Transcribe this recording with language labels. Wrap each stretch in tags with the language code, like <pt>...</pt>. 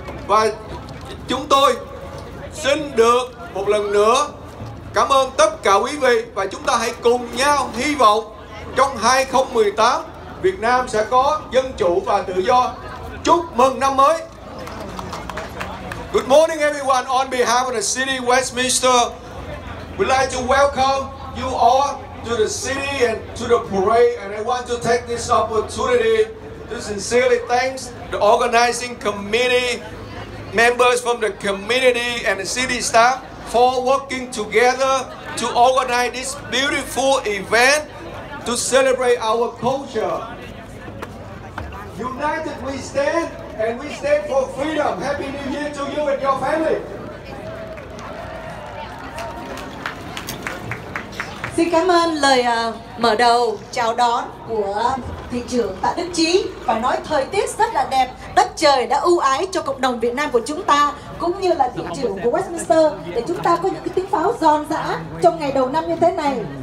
<vi>Và chúng tôi xin được một lần nữa cảm ơn tất cả quý vị, và chúng ta hãy cùng nhau hy vọng trong 2018 Việt Nam sẽ có dân chủ và tự do. Chúc mừng năm mới.</vi> <en>Good morning everyone. On behalf of the city Westminster, we'd like to welcome you all to the city and to the parade, and I want to take this opportunity to sincerely thank the organizing committee members from the community and the city staff for working together to organize this beautiful event to celebrate our culture. United we stand, and we stand for freedom. Happy New Year to you and your family.</en> <vi>Xin cảm ơn lời mở đầu chào đón của thị trưởng Tạ Đức Chí. Phải nói thời tiết rất là đẹp, đất trời đã ưu ái cho cộng đồng Việt Nam của chúng ta cũng như là thị trưởng của Westminster để chúng ta có những cái tiếng pháo giòn giã trong ngày đầu năm như thế này.</vi>